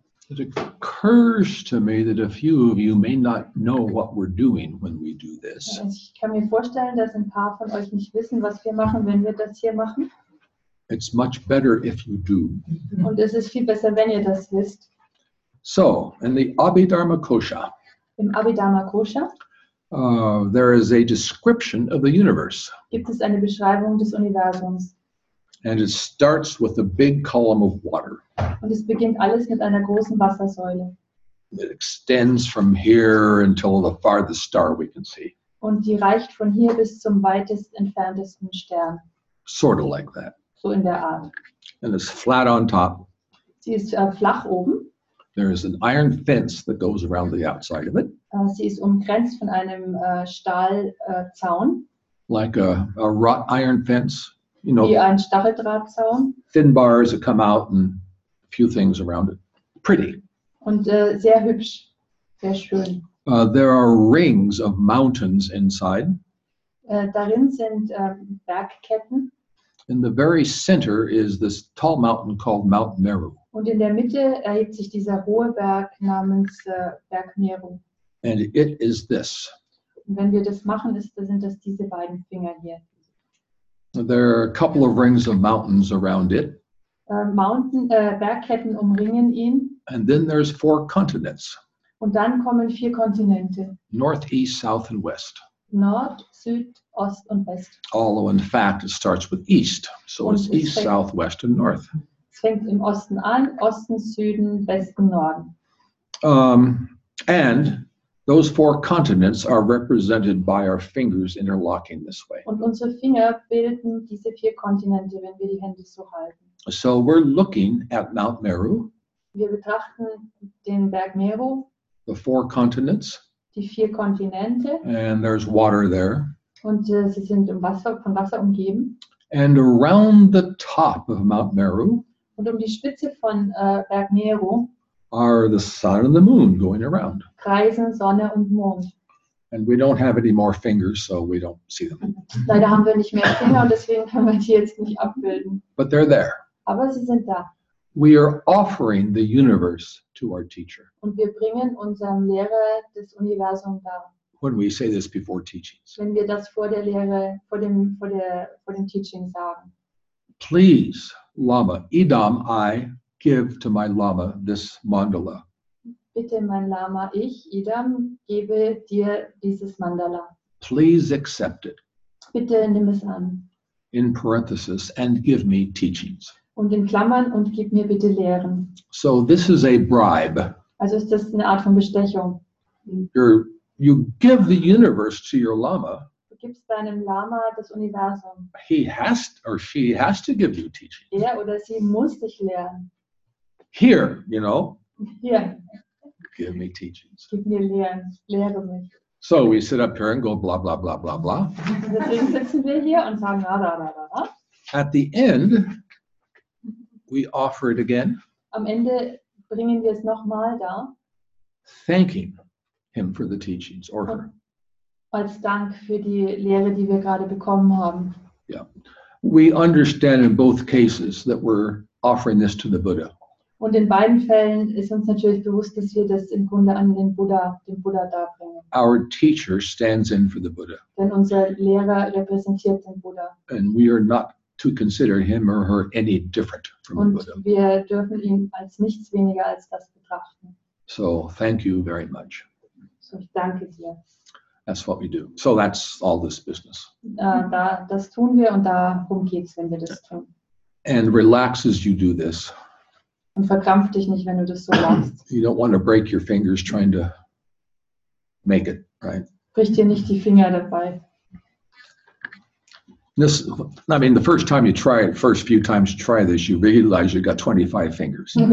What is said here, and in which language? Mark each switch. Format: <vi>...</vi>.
<en>It occurs to me that a few of you may not know what we're doing when we do this.</en> <de>Ich kann mir vorstellen, dass ein paar von euch nicht wissen, was wir machen, wenn wir das hier machen.</de> <en>It's much better if you do.</en> <de>Und es ist viel besser, wenn ihr das wisst.</de> <en>So, in the Abhidharma Kosha.</en> <de>Im Abhidharma Kosha.</de> <en>There is a description of the universe.</en> <de>Gibt es eine Beschreibung des Universums?</de> <en>And it starts with a big column of water.</en> <de>Und es beginnt alles mit einer großen Wassersäule.</de> <en>It extends from here until the farthest star we can see.</en> <de>Und die reicht von hier bis zum weitest entferntesten Stern.</de> <en>Sort of like that.</en> <de>So in der Art.</de> <en>And it's flat on top.</en> <de>Sie ist flach oben.</de> <en>There is an iron fence that goes around the outside of it.</en> <de>Sie ist umgrenzt von einem Stahlzaun.</de> <en>Like a wrought iron fence. You know,</en> <de>wie ein Stacheldrahtzaun.</de> <en>Thin bars that come out and a few things around it. Pretty.</en> <de>Und sehr hübsch. Sehr schön.</de> <en>There are rings of mountains inside.</en> <de>Darin sind Bergketten.</de> <en>In the very center is this tall mountain called Mount Meru.</en> <de>Und in der Mitte erhebt sich dieser hohe Berg namens Berg Meru.</de> <en>And it is this.</en> <de>Und wenn wir das machen, sind das diese beiden Finger hier.</de> <en>There are a couple of rings of mountains around it.</en> <de>Bergketten umringen ihn.</de> <en>And then there's four continents.</en> <de>Und dann kommen vier Kontinente.</de> <en>North, east, south and west.</en> <de>Nord, Süd, Ost und West.</de> <en>Although in fact it starts with east. So it's east, south, west and north.</en> <de>Es fängt im Osten an, Osten, Süden, Westen, Norden.</de> <en>And those four continents are represented by our fingers interlocking this way.</en> <de>Und unsere Finger bilden diese vier Kontinente, wenn wir die Hände so halten.</de> <en>So we're looking at Mount Meru.</en> <de>Wir betrachten den Berg Meru.</de> <en>The four continents.</en> <de>Die vier Kontinente.</de> <en>And there's water there.</en> <de>Und sie sind von Wasser umgeben.</de> <en>And around the top of Mount Meru,</en> <de>und um die Spitze von Berg Meru,</de> <en>are the sun and the moon going around.</en> <de>Kreisen Sonne und Mond.</de> <en>And we don't have any more fingers, so we don't see them.</en> <de>Leider haben wir nicht mehr Finger und deswegen können wir die jetzt nicht abbilden.</de> <en>But they're there.</en> <de>Aber sie sind da.</de> <en>We are offering the universe to our teacher.</en> <de>Und wir bringen unserem Lehrer das Universum dar.</de> <en>When we say this before teachings.</en> <de>Wenn wir das vor der Lehre, vor dem Teaching sagen.</de> <en>Please, Lama, Idam, I give to my Lama this mandala.</en> <de>Bitte, mein Lama, ich, Idam, gebe dir dieses Mandala.</de> <en>Please accept it.</en> <de>Bitte, nimm es an.</de> <en>In parenthesis, and give me teachings.</en> <de>Und in Klammern, und gib mir bitte Lehren.</de> <en>So this is a bribe.</en> <de>Also ist das eine Art von Bestechung.</de> <en>You give the universe to your Lama.</en> <de>Du gibst deinem Lama das Universum.</de> <en>He has or she has to give you teachings.</en> <de>Er oder sie muss dich lehren.</de> <en>Here, you know.</en> <de>Hier.</de> <en>Give me teachings.</en> <de>Gib mir Lehren. Lehre mich.</de> <en>So we sit up here and go blah, blah, blah, blah, blah.</en> <de>Deswegen sitzen wir hier und sagen bla, bla, bla, bla.</de> <en>At the end, we offer it again.</en> <de>Am Ende bringen wir es nochmal da.</de> <en>Thanking him for the teachings or her.</en> <de>Als Dank für die Lehre, die wir gerade bekommen haben.</de> <en>Yeah. We understand in both cases that we're offering this to the Buddha.</en> <de>Und in beiden Fällen ist uns natürlich bewusst, dass wir das im Grunde an den Buddha darbringen.</de> <en>Our teacher stands in for the Buddha.</en> <de>Denn unser Lehrer repräsentiert den Buddha.</de> <en>And we are not to consider him or her any different from</en> <de>und</de> <en>the Buddha.</en> <de>Und wir dürfen ihn als nichts weniger als das betrachten.</de> <en>So, thank you very much.</en> <de>So, ich danke dir.</de> <en>That's what we do. So that's all this business.</en> <de>Das tun wir und darum geht's, wenn wir das tun.</de> <en>And relax as you do this.</en> <de>Und verkrampf dich nicht, wenn du das so machst.</de> <en>You don't want to break your fingers trying to make it, right?</en> <de>Brich dir nicht die Finger dabei.</de> <en>This, I mean, the first time you try it, first few times you try this, you realize you've got 25 fingers.</en>